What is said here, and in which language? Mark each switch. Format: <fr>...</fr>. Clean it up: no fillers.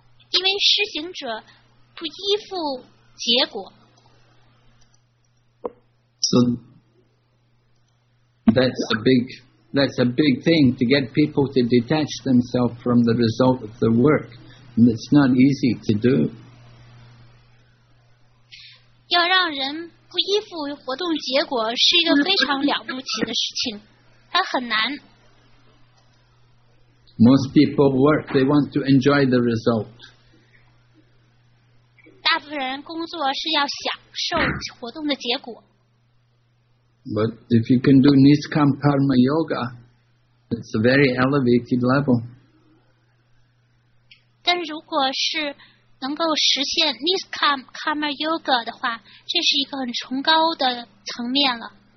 <zh>因为施行者不依附结果。</zh> <en>So that's a big thing to get people to detach themselves from the result of the work， and it's not easy to do。</en> <zh>要让人不依附活动结果是一个非常了不起的事情，它很难。</zh> <en>Most people work, they want to enjoy the result.</en> <zh>大部分人工作是要享受活动的结果。</zh> <en>But if you can do Niskam Karma Yoga, it's a very elevated level.</en> <zh>但如果是能够实现 Niskam Karma Yoga 的话，这是一个很崇高的层面了。</zh>